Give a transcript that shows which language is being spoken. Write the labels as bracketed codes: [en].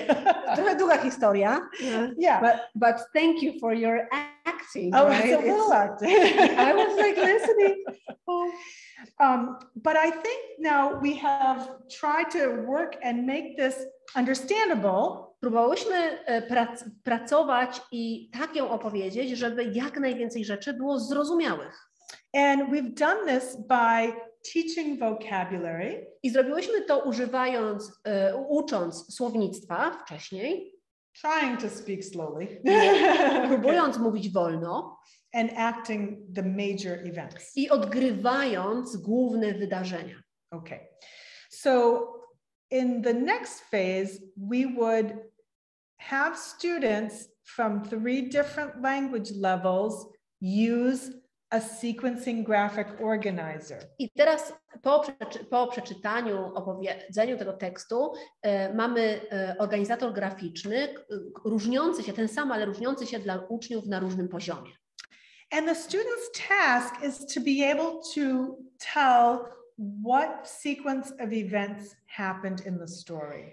[pl] Trochę długa historia. [en] Yeah. But thank you for your acting. Oh, right? It's a little acting. I was like listening. But I think now we have tried to work and make this understandable. [pl] Próbowałyśmy pracować i tak ją opowiedzieć, żeby jak najwięcej rzeczy było zrozumiałych. [en] And we've done this by teaching vocabulary. [pl] I zrobiłyśmy to używając, ucząc słownictwa wcześniej. [en] Trying to speak slowly. [pl] Próbując mówić wolno. [en] And acting the major events. [pl] I odgrywając główne wydarzenia. [en] Okay. So in the next phase, we would have students from three different language levels use a sequencing graphic organizer. [pl] I teraz po przeczytaniu, opowiedzeniu tego tekstu mamy organizator graficzny różniący się, ten sam, ale różniący się dla uczniów na różnym poziomie. [en] And the student's task is to be able to tell what sequence of events happened in the story.